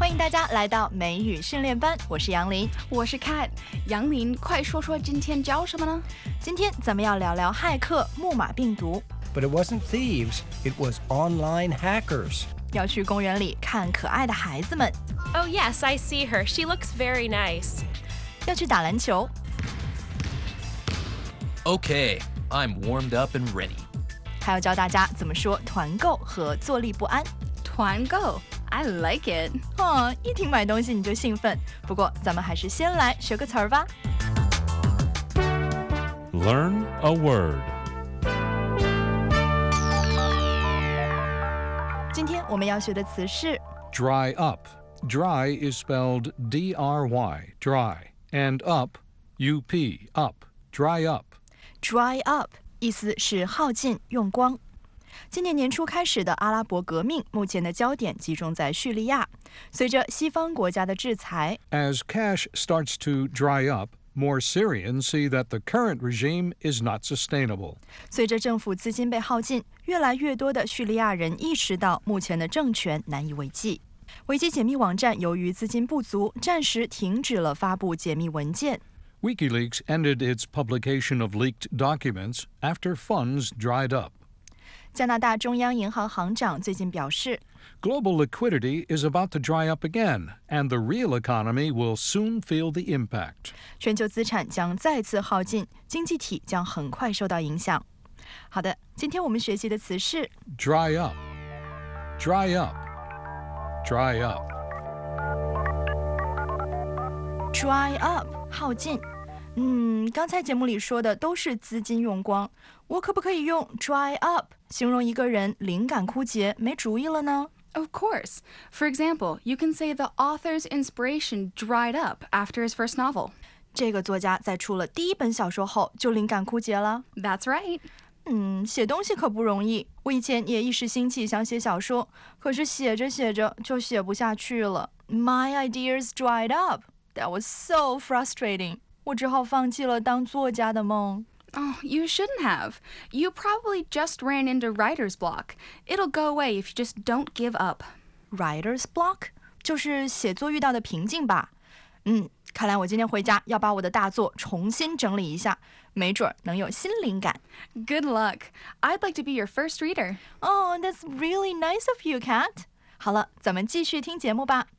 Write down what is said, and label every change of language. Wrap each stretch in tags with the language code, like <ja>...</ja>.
<zh>家来到美语训练班，我是杨林，我是 Kat。杨林，快说说今天教什么呢？今天咱们要聊聊骇客木马病毒。</zh> <en>But it wasn't thieves, it was online hackers.</en> <zh>要去公园里看可爱的孩子们。</zh> <en>Oh yes, I see her, she looks very nice.</en> <zh>要去打篮球。</zh> <en>Okay, I'm warmed up and ready.</en> <zh>还要教大家怎么说团购和坐立不安。</zh> <en>团购，I like it.</en> <zh>一听买东西你就兴奋。不过咱们还是先来学个词儿吧。</zh> <en>Learn a word.</en> <zh>今天我们要学的词是</zh> <en>dry up. Dry is spelled D-R-Y, dry. And up, U-P, up, dry up.</en> <zh>Dry up, 意思是耗尽、用光。今年年初开始的阿拉伯革命，目前的焦点集中在叙利亚。随着西方国家的制裁</zh> <en>，As cash starts to dry up, more Syrians see that the current regime is not sustainable.</en> <zh>随着政府资金被耗尽，越来越多的叙利亚人意识到目前的政权难以为继。危机解密网站由于资金不足，暂时停止了发布解密文件。</zh> <en>WikiLeaks ended its publication of leaked documents after funds dried up.</en> <zh>加拿大中央银行行长最近表示</zh> <en>Global liquidity is about to dry up again, and the real economy will soon feel the impact.</en> <zh>全球资产将再次耗尽，经济体将很快受到影响。好的，今天我们学习的词是</zh> <en>dry up, dry up, dry up.</en> <zh>Dry up, 耗尽。刚才节目里说的都是资金用光，我可不可以用 dry up 形容一个人灵感枯竭，没主意了呢？</zh> <en>Of course. For example, you can say the author's inspiration dried up after his first novel.</en> <zh>这个作家在出了第一本小说后就灵感枯竭了。</zh> <en>That's right.</en> <zh>写东西可不容易。我以前也一时兴起想写小说，可是写着写着就写不下去了。</zh> <en>My ideas dried up. That was so frustrating.</en> <zh>我只好放弃了当作家的梦。</zh> <en>Oh, you shouldn't have. You probably just ran into writer's block. It'll go away if you just don't give up. Writer's block?</en> <zh>就是写作遇到的瓶颈吧。看来我今天回家要把我的大作重新整理一下，没准能有新灵感。</zh> <en>Good luck. I'd like to be your first reader. Oh, that's really nice of you, Kat.</en> <zh>好了，咱们继续听节目吧。</zh>